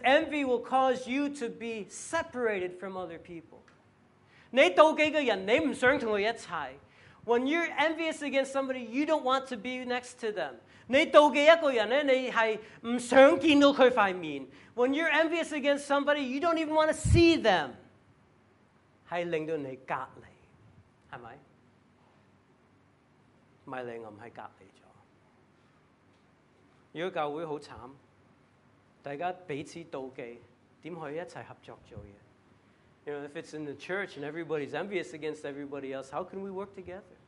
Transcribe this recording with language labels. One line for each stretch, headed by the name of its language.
English: envy will cause you to be separated from other people.
Cantonese: 你妒忌嘅人，你唔想同佢一齐。
English: When you're envious against somebody, you don't want to be next to them.
Cantonese: 你妒忌一个人咧，你系唔想见到佢块面。
English: When you're envious against somebody, you don't even want to see them.
Cantonese: 系令到你隔离，系咪？米利暗喺隔離咗。如果教會好慘，大家彼此妒忌，點可以一齊合作做嘢？
English: You know, if it's in the church and everybody's envious against everybody else, how can we work together?